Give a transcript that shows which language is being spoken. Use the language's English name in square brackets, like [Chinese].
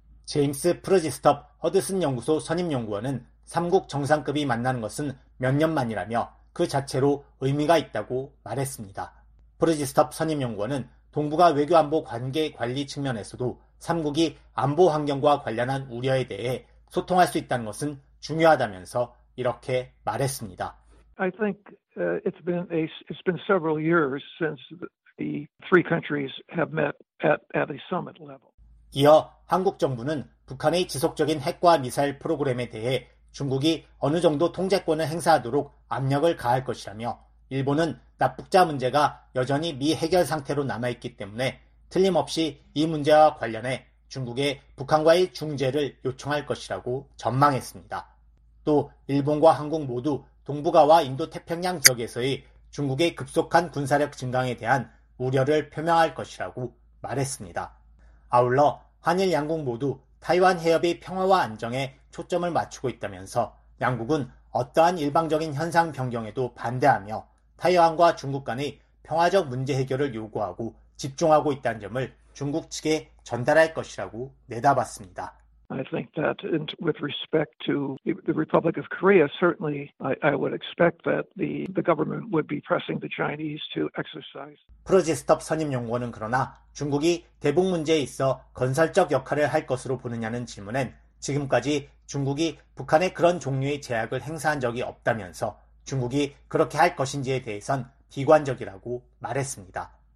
[Korean] 제임스 프르지스톱 허드슨 연구소 선임연구원은 3국 정상급이 만나는 것은 몇 년 만이라며 그 자체로 의미가 있다고 말했습니다. 프르지스톱 선임연구원은 동북아 외교안보 관계 관리 측면에서도 3국이 안보 환경과 관련한 우려에 대해 소통할 수 있다는 것은 중요하다면서 이렇게 말했습니다. [English] I think it's been several years since the three countries have met at a summit level. [Korean] 이어 한국 정부는 북한의 지속적인 핵과 미사일 프로그램에 대해 중국이 어느 정도 통제권을 행사하도록 압력을 가할 것이라며 일본은 납북자 문제가 여전히 미해결 상태로 남아있기 때문에 틀림없이 이 문제와 관련해 중국에 북한과의 중재를 요청할 것이라고 전망했습니다. 또 일본과 한국 모두 동북아와 인도태평양 지역에서의 중국의 급속한 군사력 증강에 대한 우려를 표명할 것이라고 말했습니다. 아울러 한일 양국 모두 타이완 해협의 평화와 안정에 초점을 맞추고 있다면서 양국은 어떠한 일방적인 현상 변경에도 반대하며 타이완과 중국 간의 평화적 문제 해결을 요구하고 집중하고 있다는 점을 중국 측에 전달할 것이라고 내다봤습니다. [English] I think that with respect to the Republic of Korea, certainly I would expect that the government would be pressing the Chinese to exercise. [Korean] 프로지스톱 선임연구원은 그러나 중국이 대북 문제에 있어 건설적 역할을 할 것으로 보느냐는 질문엔 지금까지 중국이 북한에 그런 종류의 제약을 행사한 적이 없다면서 중국이 그렇게 할 것인지에 대해선 비관적이라고 말했습니다.